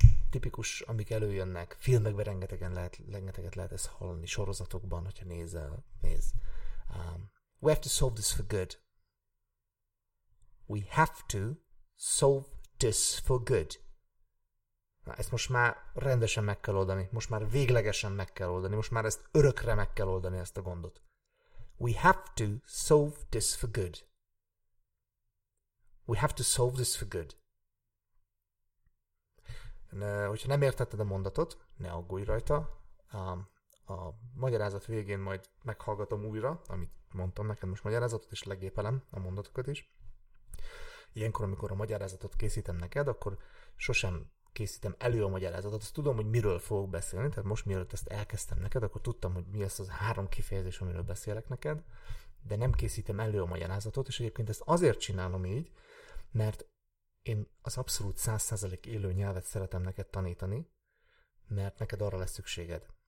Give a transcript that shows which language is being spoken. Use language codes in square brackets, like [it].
[hu] Tipikus, amik előjönnek, filmekben rengeteget lehet ezt hallani, sorozatokban, hogyha nézel, nézd. [en] We have to solve this for good. We have to solve this for good. [hu] Na, ezt most már rendesen meg kell oldani. Most már véglegesen meg kell oldani. Most már ezt örökre meg kell oldani, ezt a gondot. [en] We have to solve this for good. We have to solve this for good. [hu] Hogyha nem értetted a mondatot, ne aggódj rajta. A magyarázat végén majd meghallgatom újra, amit mondtam neked most magyarázatot, és legépelem a mondatokat is. Ilyenkor, amikor a magyarázatot készítem neked, akkor sosem készítem elő a magyarázatot, azt tudom, hogy miről fogok beszélni, tehát most mielőtt ezt elkezdtem neked, akkor tudtam, hogy mi ez az három kifejezés, amiről beszélek neked, de nem készítem elő a magyarázatot, és egyébként ezt azért csinálom így, mert én az abszolút 100% élő nyelvet szeretem neked tanítani, mert neked arra lesz szükséged.